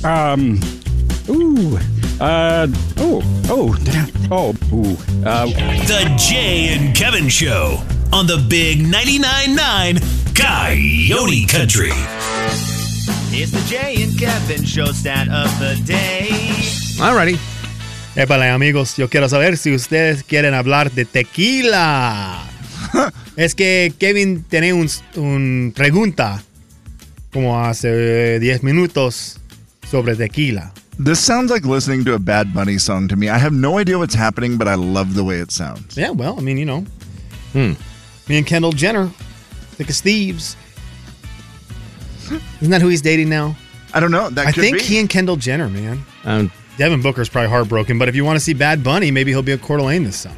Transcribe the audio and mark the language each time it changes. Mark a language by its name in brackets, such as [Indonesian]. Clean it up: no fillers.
[English] The Jay and Kevin Show on the big 99.9 Coyote Country. It's the Jay and Kevin Show stat of the day. Alrighty. [Spanish] Epale, amigos, yo quiero saber si ustedes quieren hablar de tequila. Es que Kevin tiene un pregunta, como hace 10 minutos, sobre tequila. [English] This sounds like listening to a Bad Bunny song to me. I have no idea what's happening, but I love the way it sounds. Yeah, well, I mean, you know. Hmm. Me and Kendall Jenner, thick as thieves. Isn't that who he's dating now? I don't know. That I could think be. He and Kendall Jenner, man. Devin Booker's probably heartbroken, but if you want to see Bad Bunny, maybe he'll be at Coeur d'Alene this summer.